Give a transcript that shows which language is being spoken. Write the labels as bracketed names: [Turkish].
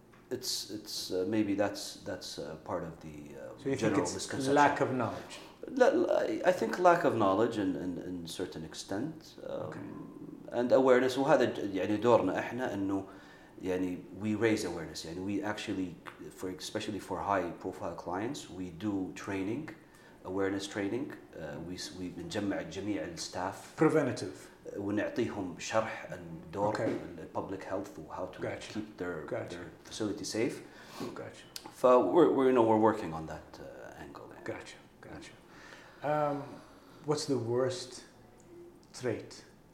[English] It's maybe that's part of the general misconception. So you think it's lack of knowledge? I think lack of knowledge in certain extent. And awareness. [Arabic] وهذا يعني دورنا إحنا إنه يعني [English] we raise awareness. [Arabic] يعني [English] we actually, for especially for high-profile clients, we do training, awareness training. We [Arabic] بنجمع جميع الستاف. [English] Preventative. [Arabic] ونعطيهم شرح الدور [English] public health how to keep their facility safe. Gotcha. So we're you know we're working on that angle. Yeah. Gotcha. What's the worst trait?